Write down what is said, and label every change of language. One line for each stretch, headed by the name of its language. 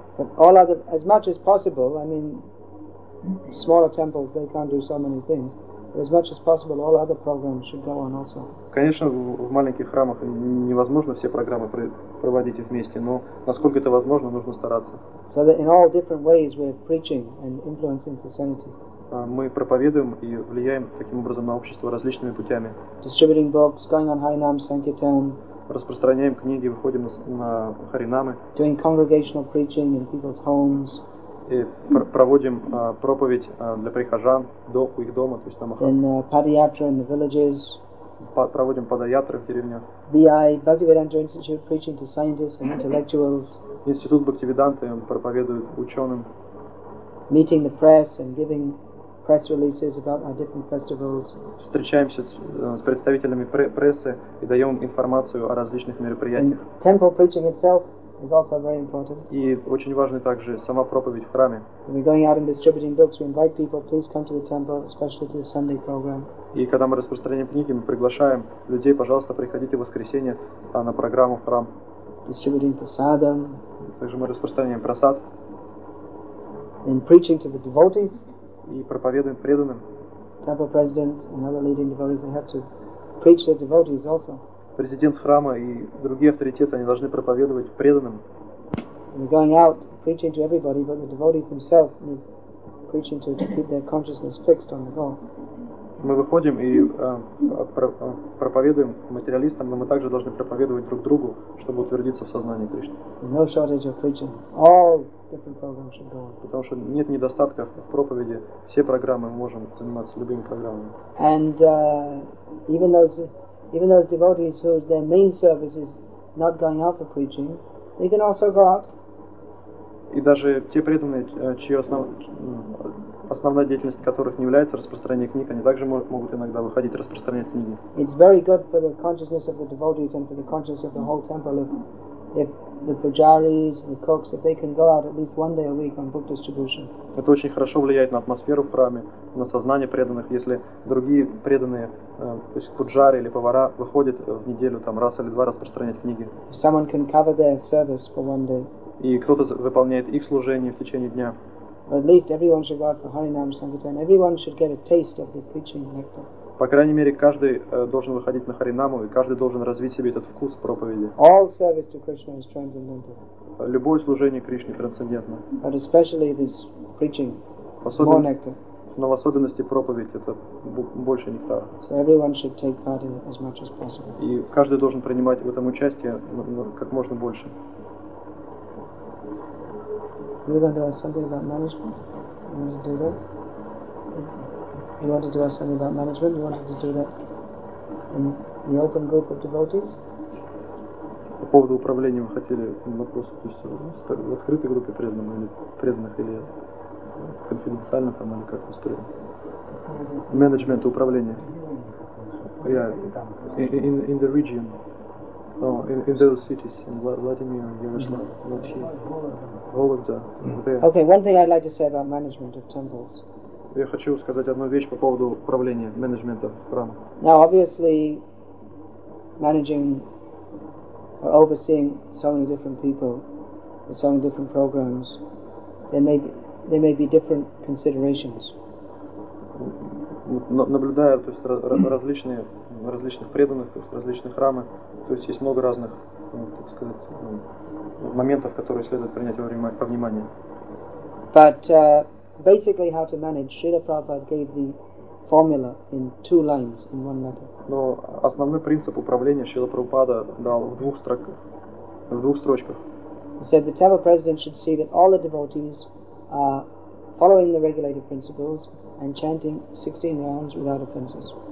English: But all other, as much as possible, I mean, smaller temples, they can't do so many things. But as much as possible, all other programs should go on also.
Russian: Конечно, в маленьких храмах невозможно все программы проводить вместе, но насколько это возможно, нужно стараться.
English: So that in all different ways we're preaching and influencing society.
Russian: Мы проповедуем и влияем таким образом на общество различными путями.
English: Distributing books, going on Harinam Sankirtan.
Russian: Распространяем книги, выходим на Харинамы.
English: Doing congregational preaching in people's homes.
Russian: И проводим проповедь для прихожан у их дома, то есть на махах.
English: In Padayatra, in the villages.
Russian: Проводим Падаятры в деревнях.
English: BI, Bhaktivedanta Institute, preaching to scientists and intellectuals.
Russian: Институт Бхактивиданты, он проповедует ученым.
English: Meeting the press and giving press releases about our different festivals.
Russian: Встречаемся с представителями прессы и даем информацию о различных мероприятиях.
English: In temple preaching itself. Is also very important.
Russian: И очень важна также сама проповедь в храме.
English: When we're going out and distributing books, we invite people, please come to the temple, especially to the Sunday program.
Russian: И когда мы распространяем книги, мы приглашаем людей, пожалуйста, приходите в воскресенье на программу в храм.
English: Distributing prasadam.
Russian: Также мы распространяем прасад.
English: In preaching to the devotees.
Russian: И проповедуем преданным.
English: Temple president and other leading devotees, they have to preach to the devotees also.
Russian: Президент храма и другие авторитеты, они должны проповедовать преданным.
English: We're going out preaching to everybody, but the devotees themselves need preaching to keep their consciousness fixed on the goal.
Russian: мы выходим и проповедуем материалистам, но мы также должны проповедовать друг другу, чтобы утвердиться в сознании Кришны.
English: No shortage of preaching. All different programs should go.
Russian: Потому что нет недостатков в проповеди. Все программы, мы можем заниматься любыми программами.
English: And even those devotees whose their main service is not going out for preaching, they can also go out.
Russian: И даже те преданные, чья основная деятельность которых не является распространение книг, они также могут иногда выходить распространять книги.
English: It's very good for the consciousness of the devotees and for the consciousness of the whole temple if the pujaris, the cooks, if they can go out at least one day a week on book distribution.
Russian: Это очень хорошо влияет на атмосферу в храме, на сознание преданных, если другие преданные, то есть пуджары или повара, выходят в неделю там раз или два распространять книги.
English: Someone can cover their service for one day.
Russian: И кто-то выполняет их служение в течение дня.
English: At least everyone should go out for Harinam Sankirtan. Everyone should get a taste of the preaching nectar.
Russian: По крайней мере, каждый должен выходить на Харинаму, и каждый должен развить себе этот вкус проповеди.
English: All service to Krishna is transcendental.
Russian: Любое служение Кришне трансцендентно.
English: But especially this preaching, more nectar.
Russian: Но в особенности проповедь — это больше нектара.
English: So everyone should take part in it as much as possible.
Russian: И каждый должен принимать в этом участие как можно больше.
English: We're going to ask something about management. You want to do that? You wanted to ask something about management. You wanted to do that in the open group of devotees.
Russian: По поводу управления вы хотели вопрос, то есть в открытой группе преданных или преданных или конфиденциально там или как-то строим.
English: Management, управление. Yeah, in the region. No, in those cities, in Vladimir, Yaroslav, Vologda, there. Okay, one thing I'd like to say about management of temples.
Russian: Я хочу сказать одну вещь по поводу управления, менеджмента храма.
English: Now, obviously, managing or overseeing so many different people, so many different programs, there may be different considerations.
Russian: Наблюдая, то есть различных преданных, то есть различные храмы, то есть много разных, так сказать, моментов, которые следует принять во внимание.
English: But basically, how to manage? Srila Prabhupada gave the formula in two lines in one letter.
Russian: Но основной принцип управления Шрила Прабхупада дал в двух строках, в двух строчках.
English: He said the temple president should see that all the devotees are following the regulated principles and chanting 16 rounds without offenses.